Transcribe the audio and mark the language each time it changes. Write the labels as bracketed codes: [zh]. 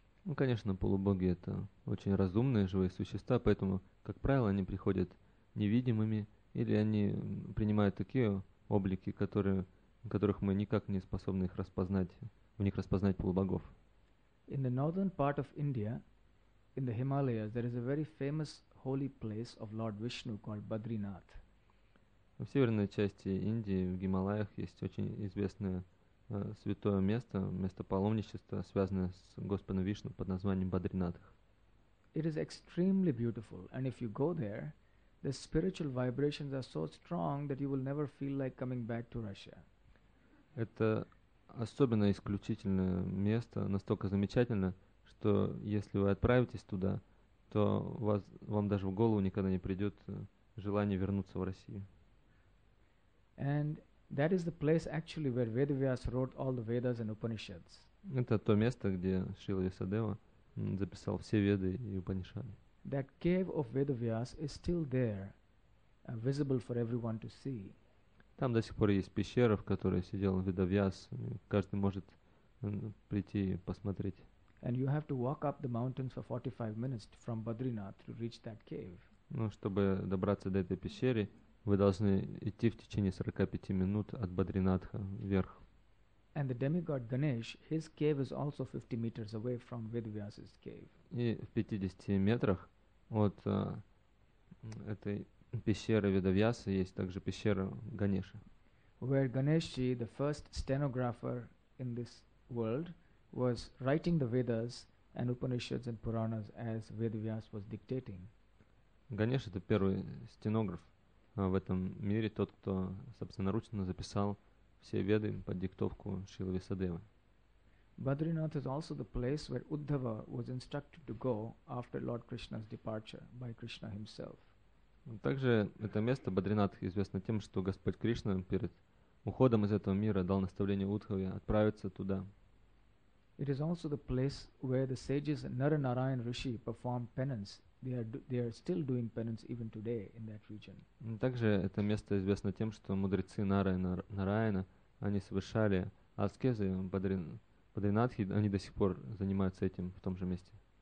[ru] Ну, конечно, полубоги — это очень разумные живые существа, поэтому, как правило, они приходят невидимыми или они принимают такие облики, которых мы никак не способны их распознать, в них распознать полубогов. [en] In the northern part of India, in the Himalayas, there is a very famous holy place of Lord Vishnu called Badrinath. [ru] В северной части Индии, в Гималаях, есть очень известное святое место, место паломничества, связанное с Господом Вишну под названием Бадринатх. [en] It is extremely beautiful, and if you go there, the spiritual vibrations are so strong that you will never feel like coming back to Russia. [ru] Это особенно исключительное место, настолько замечательно, что если вы отправитесь туда, то вам даже в голову никогда не придет желание вернуться в Россию. [en] And that is the place actually where Vedavyas wrote all the Vedas and Upanishads. [ru] Это то место, где Шрила Ясадева записал все Веды и Упанишады. [en] That cave of Vedavyas is still there, visible for everyone to see. [ru] Там до сих пор есть пещера, в которой сидел Ведавьяс, каждый может прийти и посмотреть. [en] And you have to walk up the mountains for 45 minutes from Badrinath to reach that cave. [ru] Ну, чтобы добраться до этой пещеры, вы должны идти в течение 45 минут от Бадринатха вверх. [en] And the demigod Ganesh, his cave is also 50 meters away from Vedavyasa's cave. [ru] И в 50 метрах от этой пещеры Ведавьяса есть также пещера Ганеша. [en] Where Ganeshji, the first stenographer in this world, was writing the Vedas and Upanishads and Puranas as Vedavyasa was dictating. [ru] Ганеш — это первый стенограф, в этом мире тот, кто собственноручно записал все веды под диктовку Шрилы Васудевы. [en] Badrinath is also the place where Uddhava was instructed to go after Lord Krishna's departure by Krishna himself. [ru] Также это место Бадринат известно тем, что Господь Кришна перед уходом из этого мира дал наставление Удхаве отправиться туда. [en] It is also the place where the sages Naranarayan Rishi performed penance. They are still doing penance even today in that region. [ru] Также это место известно тем, что мудрецы Нараяна они совершали аскезы Бадринатхи, они до сих пор занимаются этим в том же месте.